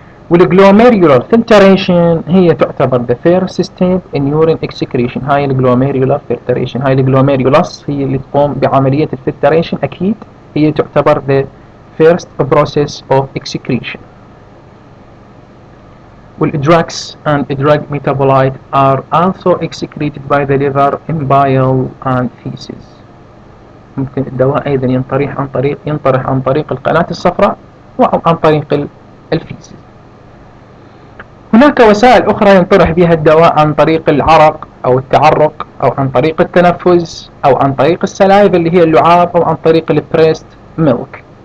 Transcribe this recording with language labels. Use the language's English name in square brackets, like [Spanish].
[Arabic] والجلوميرولار فلتريشن هي تعتبر ذا فيرست ستيب ان يورين اكسكريشن. هاي الجلوميرولار فلتريشن، هاي الجلوميرولاس هي اللي تقوم بعملية الفلتريشن، اكيد هي تعتبر ذا [English] first process of excretion. Well, drugs and drug metabolites are also excreted by the liver in bile and feces. [Arabic] ممكن الدواء ايضا ينطرح عن طريق القناة الصفراء وعن طريق الفيسز. هناك وسائل اخرى ينطرح بها الدواء، عن طريق العرق او التعرق او عن طريق التنفس او عن طريق السلايف اللي هي اللعاب او عن طريق البريست ميلك.